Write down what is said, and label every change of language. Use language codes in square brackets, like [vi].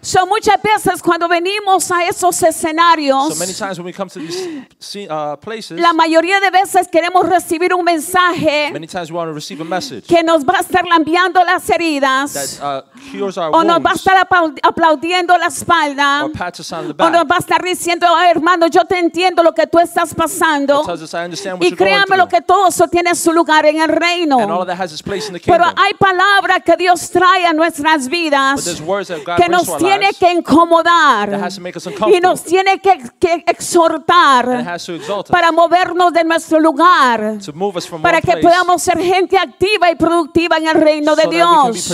[es] So muchas veces cuando venimos a esos escenarios, [en] so many times when we come to these places, [es] la mayoría de veces queremos recibir un mensaje, [en] many times we want to receive a message, [es] que nos va a estar lambiando las heridas, [en] that cures our [es] o [en] wounds, [es] o nos va a estar aplaudiendo la espalda, [en] or pats us on the back, [es] o nos va a estar diciendo, oh, hermano, yo te entiendo lo que tú estás pasando, y créame lo que todo eso tiene su lugar en el reino, pero hay palabras que Dios trae a nuestras vidas que nos tiene que incomodar y nos tiene que exhortar para movernos de nuestro lugar, para que podamos ser gente activa y productiva en el reino de Dios.